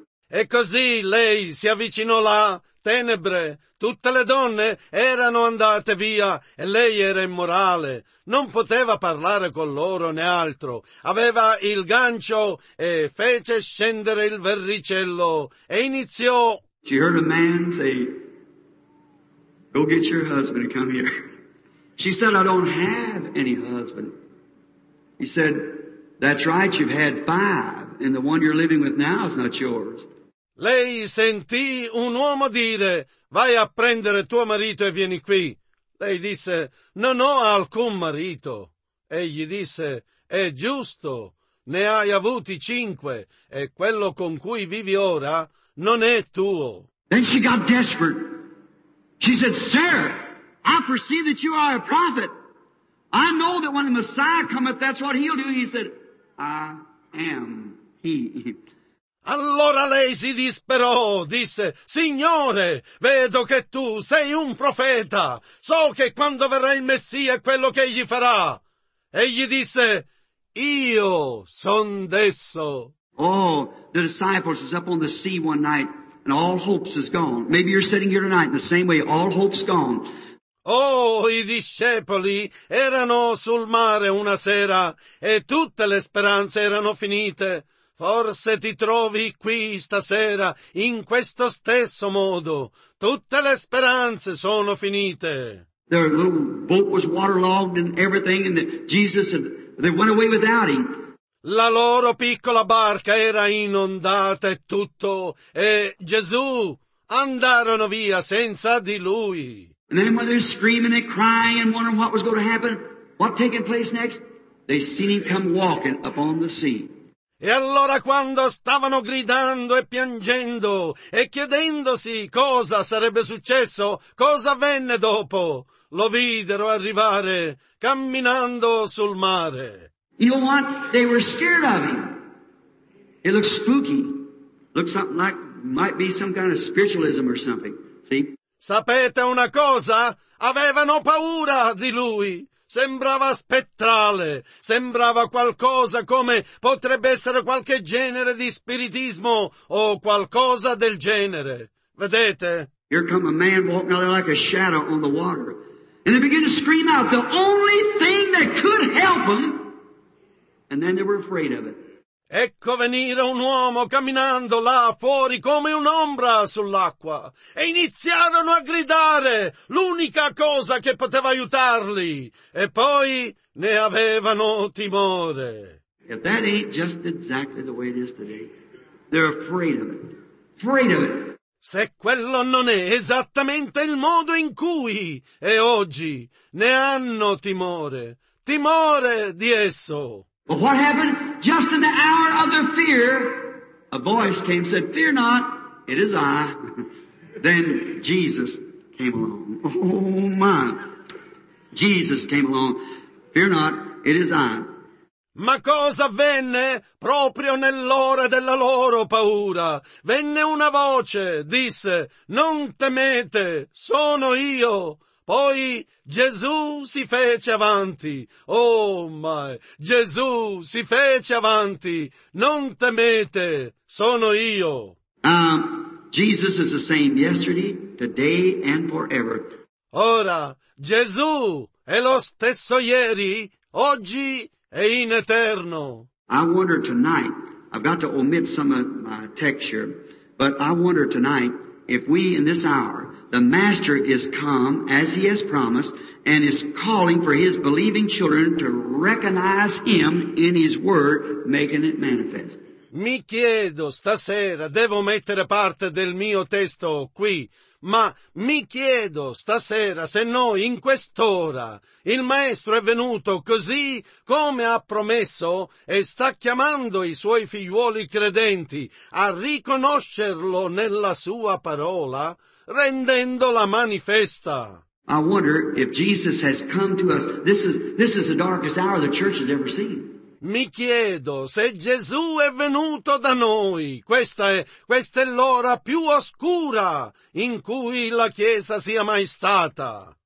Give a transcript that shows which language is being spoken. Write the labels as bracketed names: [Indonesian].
[Italian] E così lei si avvicinò là, tenebre, tutte le donne erano andate via e lei era immorale, non poteva parlare con loro né altro, aveva il gancio e fece scendere il verricello e iniziò. [English] She heard a man say, go get your husband and come here. She said, I don't have any husband. He said, that's right, you've had five and the one you're living with now is not yours. [Italian] Lei sentì un uomo dire, vai a prendere tuo marito e vieni qui. Lei disse, non ho alcun marito. Egli disse, è giusto, ne hai avuti cinque, e quello con cui vivi ora non è tuo. [English] Then she got desperate. She said, sir, I perceive that you are a prophet. I know that when the Messiah cometh, that's what he'll do. He said, I am he. [Italian] Allora lei si disperò, disse, Signore, vedo che tu sei un profeta, so che quando verrà il Messia è quello che egli farà. Egli disse, io son desso. [English] Oh, the disciples is up on the sea one night and all hopes is gone. Maybe you're sitting here tonight in the same way, all hopes gone. [Italian] Oh, i discepoli erano sul mare una sera e tutte le speranze erano finite. Forse ti trovi qui stasera, in questo stesso modo. Tutte le speranze sono finite. [English] Their little boat was waterlogged and everything, and Jesus had, they went away without him. [Italian] La loro piccola barca era inondata e tutto, e Gesù andarono via senza di lui. [English] And then when they're screaming and crying and wondering what was going to happen, what taking place next, they seen him come walking upon the sea. [Italian] E allora quando stavano gridando e piangendo e chiedendosi cosa sarebbe successo, cosa avvenne dopo, lo videro arrivare camminando sul mare. [English] You know what? They were scared of him. It looked spooky. Looked something like might be some kind of spiritualism or something. See? [Italian] Sapete una cosa? Avevano paura di lui. Sembrava spettrale, sembrava qualcosa come potrebbe essere qualche genere di spiritismo o qualcosa del genere. Vedete? [English] Here come a man walking out there like a shadow on the water. And they begin to scream out the only thing that could help them. And then they were afraid of it. [Italian] Ecco venire un uomo camminando là fuori come un'ombra sull'acqua. E iniziarono a gridare l'unica cosa che poteva aiutarli. E poi ne avevano timore. [English] If that ain't just exactly the way it is today, they're afraid of it. Afraid of it. [Italian] Se quello non è esattamente il modo in cui è oggi, ne hanno timore. Timore di esso. [English] But what happened? Just in the hour of their fear, a voice came and said, fear not, it is I. Then Jesus came along. Oh my. Jesus came along. Fear not, it is I. [Italian] Ma cosa avvenne proprio nell'ora della loro paura? Venne una voce, disse, non temete, sono io. Poi Gesù si fece avanti. [English] Oh my, [Italian] Gesù si fece avanti. Non temete, sono io. [English] Jesus is the same yesterday, today and forever. [Italian] Ora, Gesù è lo stesso ieri, oggi e in eterno. [English] I wonder tonight, I've got to omit some of my text here, but I wonder tonight if we in this hour, the Master is come as he has promised and is calling for his believing children to recognize him in his word, making it manifest. [Italian] Mi chiedo stasera, devo mettere parte del mio testo qui, ma mi chiedo stasera se noi in quest'ora il Maestro è venuto così come ha promesso e sta chiamando i suoi figliuoli credenti a riconoscerlo nella sua parola, rendendola manifesta. [English] I wonder if Jesus has come to us. This is the darkest hour the church has ever seen. [Italian] Mi chiedo se Gesù è venuto da noi. Questa è l'ora più oscura in cui la Chiesa sia mai stata.